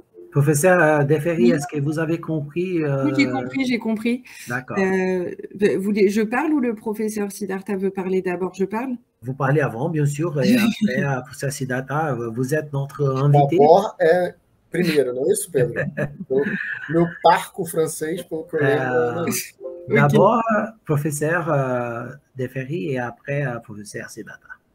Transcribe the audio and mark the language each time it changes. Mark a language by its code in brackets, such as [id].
[fr] Professeur Deferri, est-ce que vous avez compris Oui, j'ai compris, j'ai compris. D'accord. Je parle ou le professeur Siddhartha veut parler d'abord? Je parle. Vous parlez avant, bien sûr, et après, professeur Siddhartha, vous êtes notre invité. [pt] D'abord, é primeiro, não é isso, Pedro? Meu parco francês, pouco é. [fr] D'abord, okay. Professeur Deferri, et après, professeur Siddhartha.